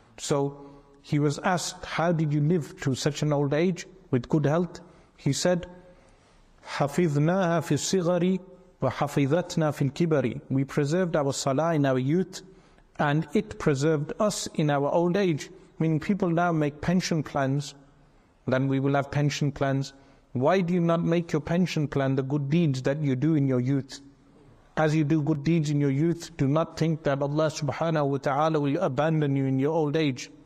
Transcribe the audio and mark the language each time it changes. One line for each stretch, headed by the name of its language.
English: So he was asked, how did you live to such an old age with good health?
Arabic: He said, حَفِظْنَاهَا فِي الصِّغَرِ وَحَفِظَتْنَا فِي الْكِبَرِ.
English: We preserved our salah in our youth and it preserved us in our old age. Meaning people now make pension plans, then we will have pension plans. Why do you not make your pension plan the good deeds that you do in your youth? As you do good deeds in your youth, do not think that Allah subhanahu wa ta'ala will abandon you in your old age.